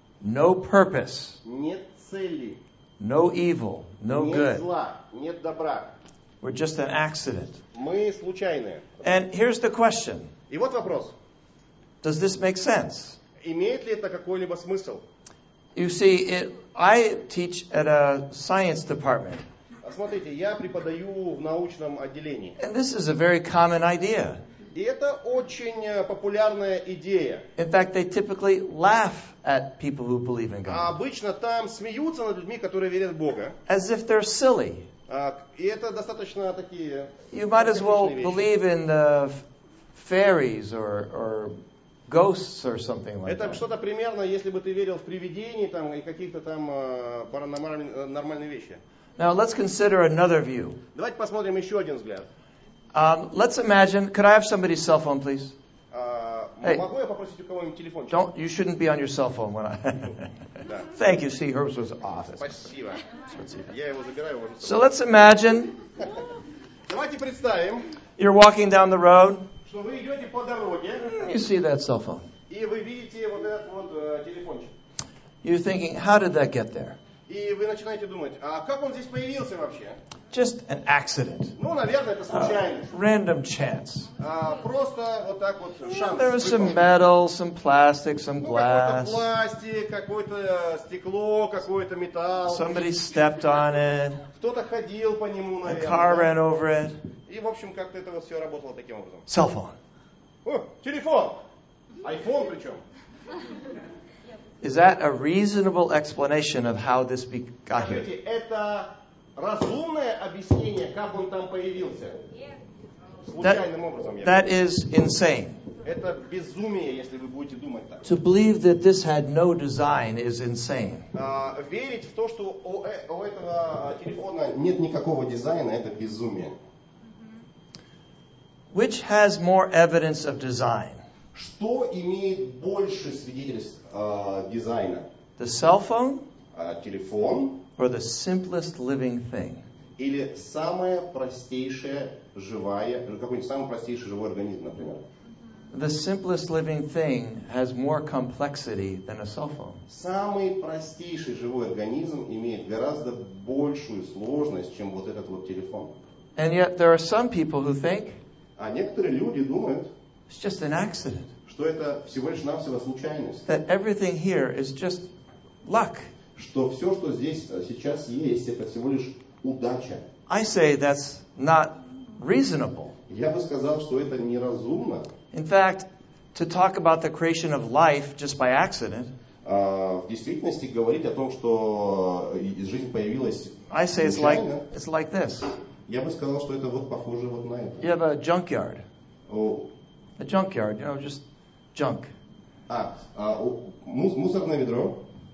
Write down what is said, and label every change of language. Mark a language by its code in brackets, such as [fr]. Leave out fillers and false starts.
[en] No purpose. [ru] Нет цели. [en] No evil. No good. [ru] Нет зла. Нет добра. [en] We're just an accident. [ru] Мы случайные. [en] And here's the question. [ru] И вот вопрос. [en] Does this make sense? [ru] Имеет ли это какой-либо смысл? [en] You see, I teach at a science department. [ru] Смотрите, я преподаю в научном отделении. [en] And this is a very common idea. [ru] И это очень популярная идея. [en] In fact, they typically laugh at people who believe in God. [ru] Обычно там смеются над людьми, которые верят в Бога. [en] As if they're silly. [ru] И это достаточно такие... [en] You might as well believe in the fairies or ghosts or something like [ru] это [en] that. [ru] Это что-то примерно, если бы ты верил в привидений там, и каких-то там паранормальные вещи. [en] Now let's consider another view. [ru] Давайте посмотрим еще один взгляд. [en] Let's imagine, could I have somebody's cell phone, please? Hey, [ru] могу я попросить у кого-нибудь телефон? [en] Don't, you shouldn't be on your cell phone when I... Thank you, see, hers was off. [ru] Спасибо. Я его забираю, уже... [en] So let's imagine... [ru] Давайте представим... [en] You're walking down the road... [ru] Что вы идете по дороге... [en] You see that cell phone. [ru] И вы видите вот этот вот телефончик. [en] You're thinking, how did that get there? [ru] И вы начинаете думать, а как он здесь появился вообще? [en] Just an accident. [ru] Ну, наверное, это случайность. [en] Random chance. [ru] Просто вот так вот шанс. [en] Yeah, there was some metal, some plastic, some glass. [ru] Ну, какой-то пластик, какое-то стекло, какой-то металл. [en] Somebody stepped on it. [ru] Кто-то ходил по нему, наверное. [en] A car ran over it. [ru] И, в общем, как-то это вот все работало таким образом. [en] Cell phone. [ru] Телефон. iPhone причем. [en] Is that a reasonable explanation of how this got here? [ru] Скажите, это разумное объяснение, как он там появился? Случайным образом. [en] That is insane. [ru] Это безумие, если вы будете думать так. [en] To believe that this had no design is insane. [ru] Верить в то, что у этого телефона нет никакого дизайна, это безумие. [en] Which has more evidence of design? [ru] Что имеет больше свидетельств дизайна? [en] The cell phone? [ru] Телефон? [en] Or the simplest living thing? [ru] Или самая простейшая живая, какой-нибудь самый простейший живой организм, например? [en] The simplest living thing has more complexity than a cell phone. [ru] Самый простейший живой организм имеет гораздо большую сложность, чем вот этот вот телефон. [en] And yet there are some people who think, [ru] а некоторые люди думают, [en] it's just an accident. [ru] Что это всего лишь навсего случайность. [en] That everything here is just luck. [ru] Что все, что здесь сейчас есть, это всего лишь удача. [en] I say that's not reasonable. [ru] Я бы сказал, что это неразумно. [en] In fact, to talk about the creation of life just by accident, [ru] в действительности говорить о том, что жизнь появилась случайно, [en] I say it's like this. [ru] Я бы сказал, что это вот похоже вот на это. [en] You have a junkyard. Oh. A junkyard, you know, just junk. [ru] Мусорное ведро.